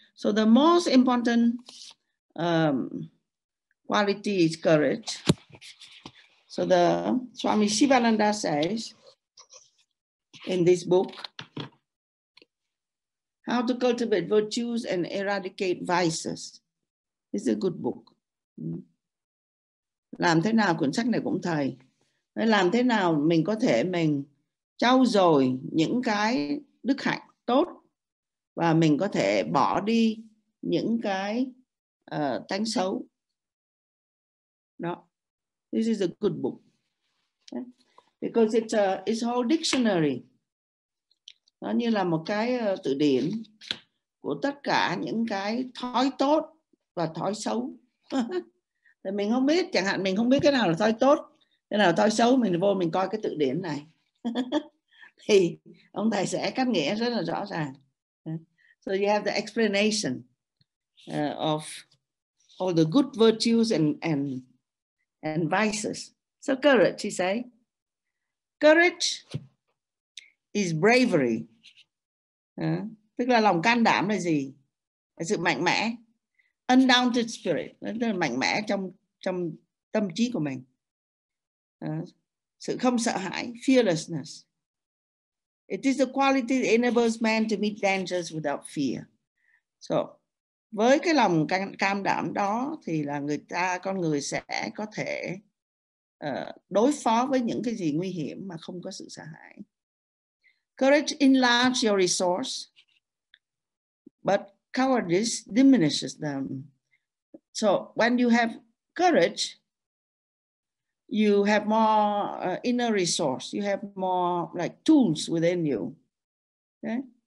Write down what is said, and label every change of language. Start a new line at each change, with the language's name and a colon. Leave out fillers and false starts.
English: So the most important quality is courage. So the Swami Sivananda says in this book, How to Cultivate Virtues and Eradicate Vices. It's a good book.
Vietnamese: Làm thế nào, cuốn sách này cũng thầy. Làm thế nào mình có thể mình trau dồi những cái đức hạnh tốt và mình có thể bỏ đi những cái tánh xấu. Đó.
English: This is a good book. Because it's whole dictionary.
Vietnamese: Nó như là một cái từ điển của tất cả những cái thói tốt và thói xấu. Thì mình không biết, chẳng hạn mình không biết cái nào là thói tốt, cái nào là thói xấu, mình vô mình coi cái từ điển này. Thì ông thầy sẽ cắt nghĩa rất là rõ ràng.
English: So you have the explanation of all the good virtues and vices. So courage, he say. Courage is bravery.
Vietnamese: Tức là lòng can đảm là gì? Là sự mạnh mẽ.
English: Undaunted spirit.
Vietnamese: Tức là mạnh mẽ trong tâm trí của mình. Sự không sợ hãi. Fearlessness.
English: It is the quality that enables man to meet dangers without fear.
Vietnamese: So, với cái lòng can đảm đó thì là người ta, con người sẽ có thể đối phó với những cái gì nguy hiểm mà không có sự sợ hãi.
English: Courage enlarges your resource, but cowardice diminishes them. So when you have courage, you have more inner resource. You have more like tools within you. Okay?